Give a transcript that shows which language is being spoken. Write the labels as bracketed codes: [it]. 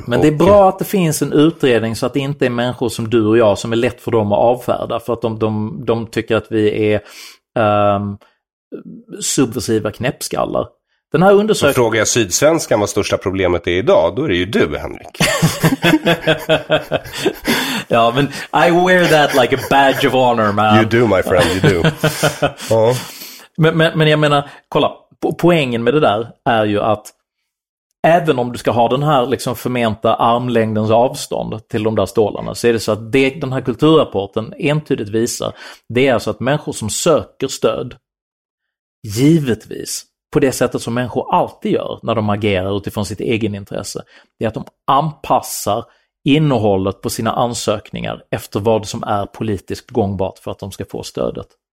[sv] Men det är bra att det finns en utredning, så att det inte är människor som du och jag som är lätt för dem att avfärda. För att de tycker att vi är subversiva knäppskallar. Den här undersökningen... Frågar jag Sydsvenskan vad största problemet är idag, då är det ju du, Henrik. Ja, men [en] I wear that like a badge of honor, man. You do, my friend, you do. [sv] Men jag menar, kolla, poängen med det där är ju att även om du ska ha den här liksom förmenta armlängdens avstånd till de där stålarna, så är det så att den här kulturrapporten entydigt visar, det är alltså att människor som söker stöd, givetvis på det sättet som människor alltid gör när de agerar utifrån sitt egen intresse, det är att de anpassar innehållet på sina ansökningar efter vad som är politiskt gångbart för att de ska få stödet.